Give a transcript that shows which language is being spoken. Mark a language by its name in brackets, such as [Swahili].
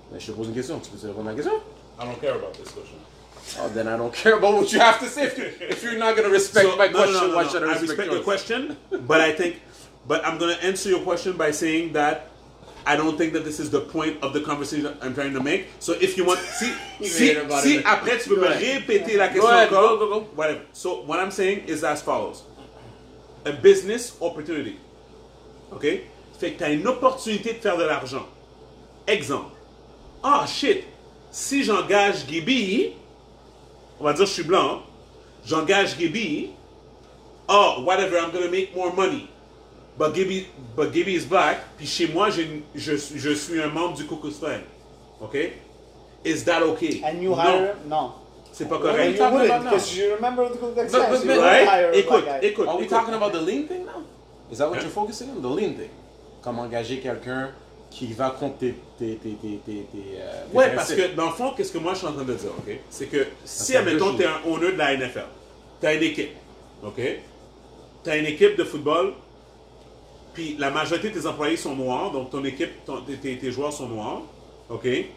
[French] Je te pose une question. Tu peux te répondre à la question? [English] I don't care about this question. Oh, then I don't care about what you have to say. If you're not going to respect my question, why should I respect yours? I respect your question, but I think... But I'm going to answer your question by saying that I don't think that this is the point of the conversation I'm trying to make. So if you want... [French] See, après, tu peux me répéter la question encore. [English] Go. Whatever. So what I'm saying is as follows. A business opportunity. Okay? [French] Fait que t'as une opportunité de faire de l'argent. Exemple. Ah, shit. Si j'engage Gibby, on va dire je suis blanc, j'engage Gibby, [English] oh, whatever, I'm going to make more money. But Gibby is black, [French] puis chez moi, je suis un membre du Ku Klux Klan. OK? [English] Is that OK? And you hire? No. [French] C'est pas correct. [English] You wouldn't, because you remember the Ku Klux Klan. You wouldn't hire a black guy. [French] Écoute. [English] Are we talking about the lean thing now? Is that what you're focusing on? The lean thing. [French] Comment engager quelqu'un qui va compter tes ouais, parce que dans le fond, qu'est-ce que moi, je suis en train de dire, OK? C'est que si, admettons, t'es un owner de la NFL, t'as une équipe, OK? T'as une équipe de football... Puis la majorité de tes employés sont noirs, donc ton équipe, tes joueurs sont noirs, OK?